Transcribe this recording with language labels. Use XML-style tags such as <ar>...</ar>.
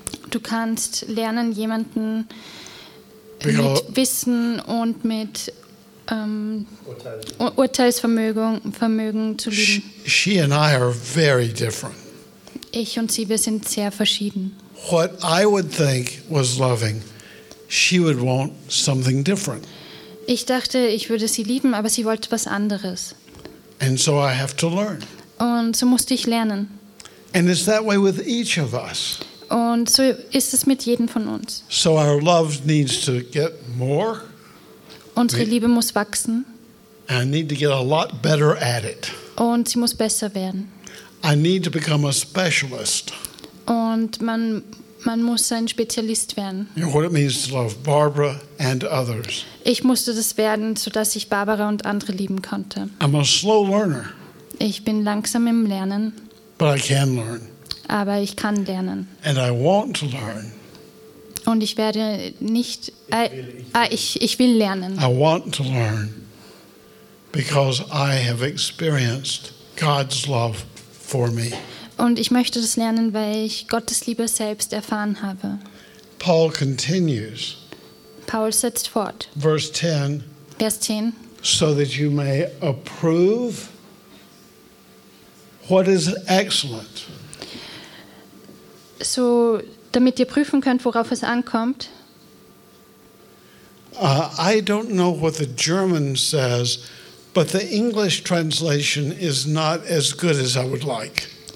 <de>Du kannst lernen, jemanden mit Wissen und mit Urteilsvermögen zu lieben.</de> <en>She and I are very different.</en> <de>Ich und sie, wir sind sehr verschieden.</de> <en>What I would think was loving, she would want something different.</en> <de>Ich dachte, ich würde sie lieben, aber sie wollte was anderes.</de> <en>And so I have to learn.</en> <de>Und so musste ich lernen.</de> <en>And it's that way with each of us.</en> <de>Und so ist es mit jedem von uns.</de> <en>So our love needs to get more.</en> <de>Unsere Liebe muss wachsen.</de> <en>I need to get a lot better at it.</en> <de>Und sie muss besser werden.</de> <en>I need to become a specialist.</en> <de>Und man muss ein Spezialist werden.</de> <en>You know what it means to love Barbara and others.</en> <de>Ich musste das werden, sodass ich Barbara und andere lieben konnte.</de> <en>I'm a slow learner.</en> <de>Ich bin langsam im Lernen.</de> <en>But I can learn.</en> <de>Aber ich kann lernen.</de> <en>And I want to learn.</en> <de>Und ich werde nicht. Ich will lernen.</de> <en>I want to learn because I have experienced God's love for me.</en> <de>Und ich möchte das lernen, weil ich Gottes Liebe selbst erfahren habe.</de> <en>Paul continues.</en> <de>Paul setzt fort.</de> <en>Verse 10.</en> <de>Vers 10.</de> <en>So that you may approve what is excellent.</en> <de>So, damit ihr prüfen könnt, worauf es ankommt.</de> <en>I don't know what the German says, but the English translation is not as good as I would like.</en>